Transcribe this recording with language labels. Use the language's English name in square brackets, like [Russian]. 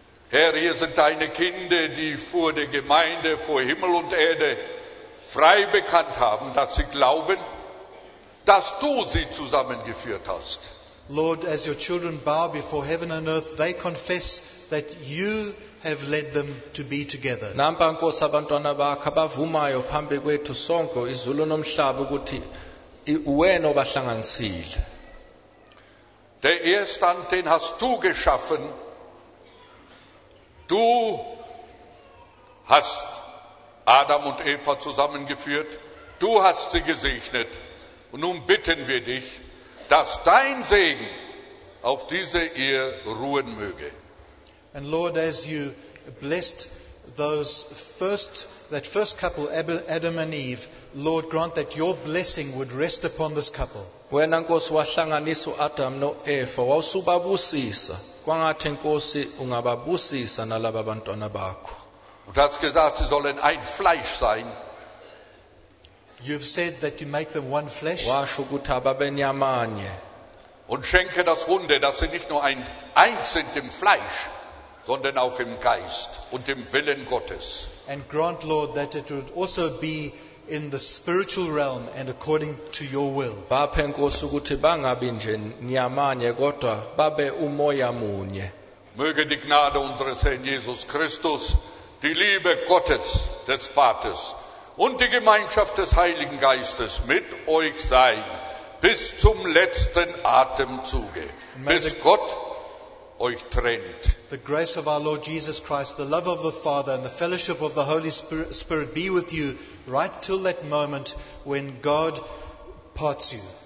[German] Herr, hier sind deine Kinder, die vor der Gemeinde, vor Himmel und Erde frei bekannt haben, dass sie glauben, dass du sie zusammengeführt hast. [English] Lord, as your children bow before heaven and earth, they confess that you have led them to be together. [Zulu] Namba Nkosi abantwana bakho abavumayo phambi kwethu sonke izulu nomhlaba ukuthi wena obahlanganisile. [German] Der Erstand, den hast du geschaffen. Du hast Adam und Eva zusammengeführt. Du hast sie gesegnet. Und nun bitten wir dich, dass dein Segen auf diese Ehe ruhen möge. [English] And Lord, as you blessed that first couple, Adam and Eve, Lord, grant that your blessing would rest upon this couple. [Zulu] Wena Nkosi wahlanganisa u-Adam no-Eva, wawusubabusisa. Kwangathi Nkosi ungababusisa nalaba bantwana bakho. [German] Du hast gesagt, sie sollen ein Fleisch sein. [English] You've said that you make them one flesh. [Zulu] Washo ukuthi ababenyamanye. [German] Und schenke das Wunder, dass sie nicht nur eins sind im Fleisch, sondern auch im Geist und im Willen Gottes. [English] And grant, Lord, that it would also be in the spiritual realm and according to your will. [Zulu] Baphe Nkosi ukuthi bangabi nje nyamanye kodwa babe umoya munye. [German] Möge die Gnade unseres Herrn Jesus Christus, die Liebe Gottes des Vaters und die Gemeinschaft des Heiligen Geistes mit euch sein bis zum letzten Atemzuge, bis Gott euch trennt. [English] The grace of our Lord Jesus Christ, the love of the Father and the fellowship of the Holy Spirit be with you right till that moment when God parts you.